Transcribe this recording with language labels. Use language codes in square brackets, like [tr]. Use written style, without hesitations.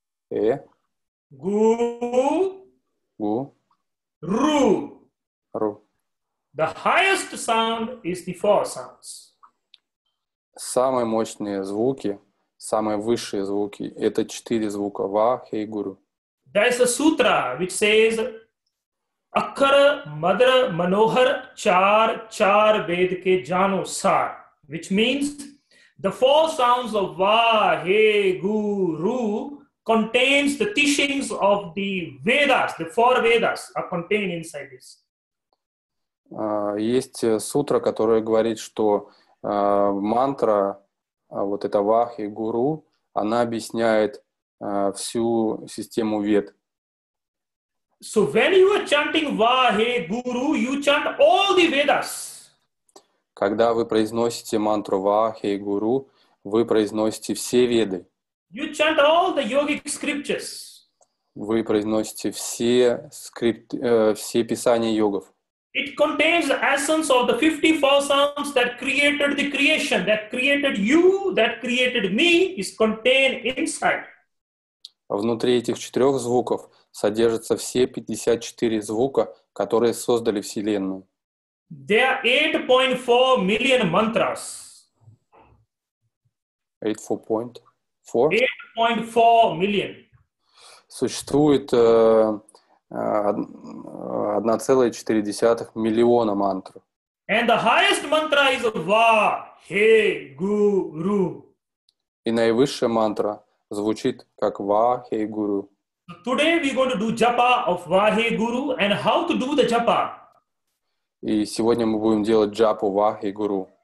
[en] Э. Гу. Гу. Ру. Ру. The highest sound is the four sounds. [ru] Самые мощные звуки, самые высшие звуки — это четыре звука. Ва, хей, гуру. [en] There is a sutra which says, [pa] Akkar, Madra, Manohar, Char, Char, Ved ke Jano, Sar. [en] Which means, the four sounds of Va, He, Gu, Ru contains the teachings of the Vedas, the four Vedas are contained inside this. [ru] Есть сутра, которая говорит, что мантра вот эта Вахи Гуру, она объясняет всю систему вед. [en] So when you are chanting Vahe Guru, you chant all the Vedas. [ru] Когда вы произносите мантру Вахе Гуру, вы произносите все веды. [en] You chant all the yogic scriptures. [ru] Вы произносите все все писания йогов. [en] It contains the essence of the 54 sounds that created the creation, that created you, that created me, is contained inside. [ru] Внутри этих четырех звуков содержатся все 54 звука, которые создали Вселенную. [en] There are 8.4 million mantras. 8.4 million. [ru] Существует 1,4 миллиона мантр. [en] And the highest mantra is Vahe Guru. [ru] И наивысшая мантра звучит как Vahe Guru. [en] Today we're going to do japa of Vahe Guru and how to do the japa. [ru] И сегодня мы будем делать джапу Вахи Гуру.